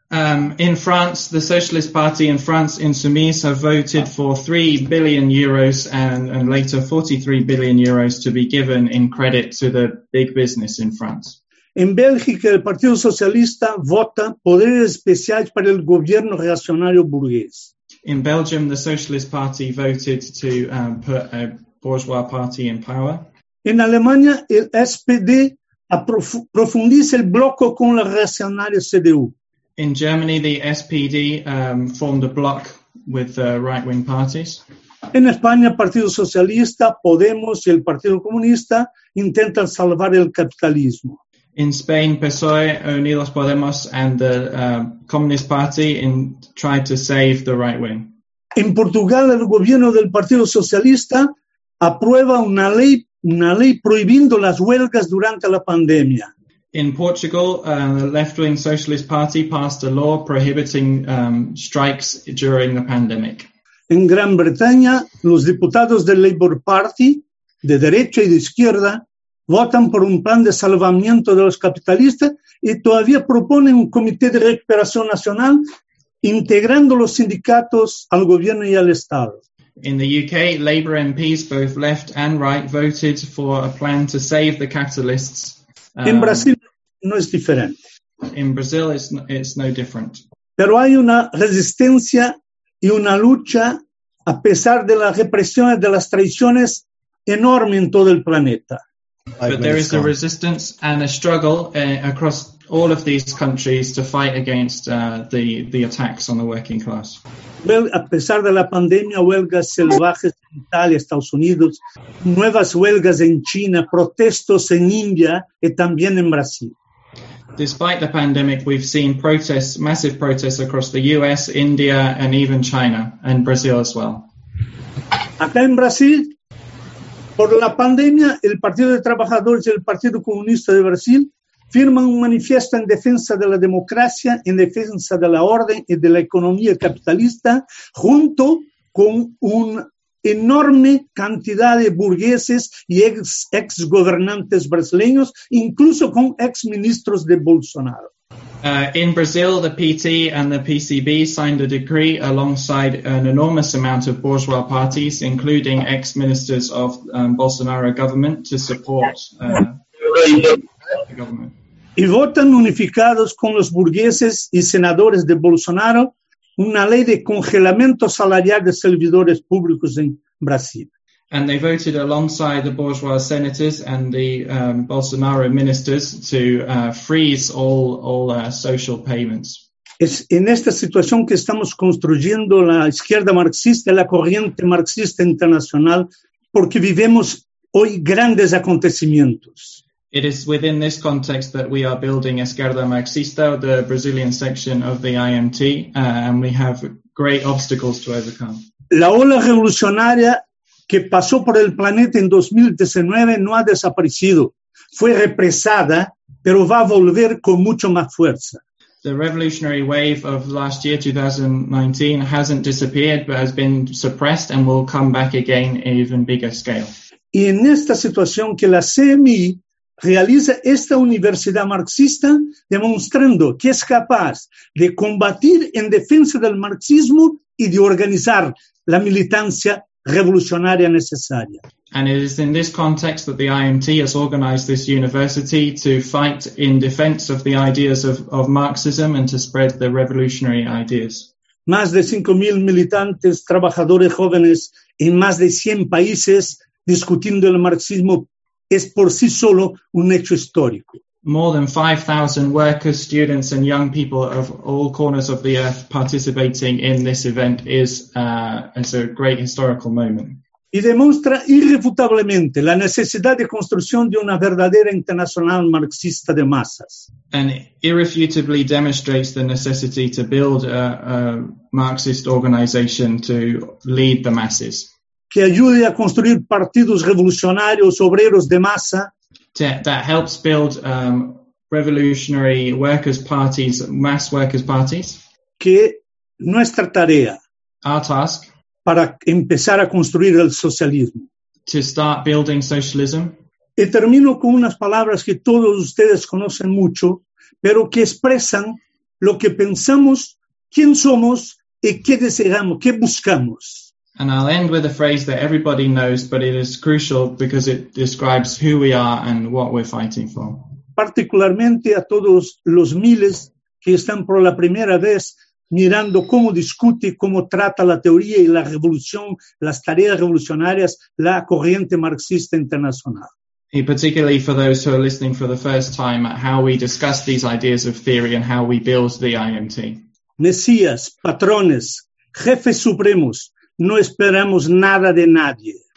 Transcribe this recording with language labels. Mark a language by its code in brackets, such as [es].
[en] In France, the Socialist Party in France, Insoumise, have voted for 3 billion euros and later 43 billion euros to be given in credit to the big business in France. [es] En Bélgica, el Partido Socialista vota poderes especiales para el gobierno reaccionario burgués. [en] In Belgium, the Socialist Party voted to put a bourgeois party in power. [es] En Alemania, el SPD profundiza el bloque con la reaccionaria CDU. [en] In Germany, the SPD formed a bloc with the right-wing parties. [es] En España, Partido Socialista, Podemos y el Partido Comunista intentan salvar el capitalismo. [en] In Spain, PSOE, Unidos Podemos and the Communist Party tried to save the right-wing. [es] En Portugal, el gobierno del Partido Socialista aprueba una ley prohibiendo las huelgas durante la pandemia. [en] In Portugal, the left-wing socialist party passed a law prohibiting strikes during the pandemic. [es] En Gran Bretaña, los diputados del Labour Party, de derecha y de izquierda, votan por un plan de salvamiento de los capitalistas y todavía proponen un comité de recuperación nacional integrando los sindicatos al gobierno y al Estado. [en] In the UK, Labour MPs, both left and right, voted for a plan to save the capitalists. [es] En Brasil no es diferente. [en] In Brazil, it's no different. [es] Pero hay una resistencia y una lucha, a pesar de las represiones, de las traiciones, enorme en todo el planeta. [en] But there is a resistance and a struggle across all of these countries to fight against the attacks on the working class. [es] Well, a pesar de la pandemia, huelgas salvajes en Italia, Estados Unidos, nuevas huelgas en China, protestos en India y también en Brasil. [en] Despite the pandemic, we've seen protests, massive protests across the US, India, and even China and Brazil as well. [es] Acá en Brasil, por la pandemia, el Partido de Trabajadores y el Partido Comunista de Brasil firman un manifiesto en defensa de la democracia, en defensa de la orden y de la economía capitalista, junto con una enorme cantidad de burgueses y ex gobernantes brasileños, incluso con ex ministros de Bolsonaro. [en] In Brazil, the PT and the PCB signed a decree alongside an enormous amount of bourgeois parties, including ex-ministers of Bolsonaro government, to support the government. [es] Y votan unificados con los burgueses y senadores de Bolsonaro una ley de congelamiento salarial de servidores públicos en Brasil. [en] And they voted alongside the bourgeois senators and the Bolsonaro ministers to freeze all social payments. [es] Es en esta situación que estamos construyendo la izquierda marxista, la corriente marxista internacional, porque vivimos hoy grandes acontecimientos. [en] It is within this context that we are building Esquerda Marxista, the Brazilian section of the IMT, and we have great obstacles to overcome. [es] La ola revolucionaria que pasó por el planeta en 2019 no ha desaparecido. Fue represada, pero va a volver con mucho más fuerza. [en] The revolutionary wave of last year, 2019, hasn't disappeared, but has been suppressed and will come back again in even bigger scale. [es] Y en esta situación que la CMI realiza esta universidad marxista, demostrando que es capaz de combatir en defensa del marxismo y de organizar la militancia revolucionaria necesaria. [en] And it is in this context that the IMT has organized this university to fight in defense of the ideas of Marxism and to spread the revolutionary ideas. [es] Más de 5,000 militantes, trabajadores jóvenes en más de 100 países discutiendo el marxismo es por sí solo un hecho histórico. [en] More than 5,000 workers, students and young people of all corners of the earth participating in this event is a great historical moment. [es] Y demuestra irrefutablemente la necesidad de construcción de una verdadera internacional marxista de masas. [en] And irrefutably demonstrates the necessity to build a Marxist organization to lead the masses. [es] Que ayude a construir partidos revolucionarios, obreros de masa. [en] That helps build revolutionary workers' parties, mass workers' parties. [es] Que nuestra tarea. [en] Our task. [es] Para empezar a construir el socialismo. [en] To start building socialism. [es] Y termino con unas palabras que todos ustedes conocen mucho, pero que expresan lo que pensamos, quién somos y qué deseamos, qué buscamos. [en] And I'll end with a phrase that everybody knows, but it is crucial because it describes who we are and what we're fighting for. [es] Particularmente a todos los miles que están por la primera vez mirando cómo discute, cómo trata la teoría y la revolución, las tareas revolucionarias, la corriente marxista internacional. [en] And particularly for those who are listening for the first time at how we discuss these ideas of theory and how we build the IMT. [es] Mesías, patrones, jefes supremos, no esperamos nada de nadie.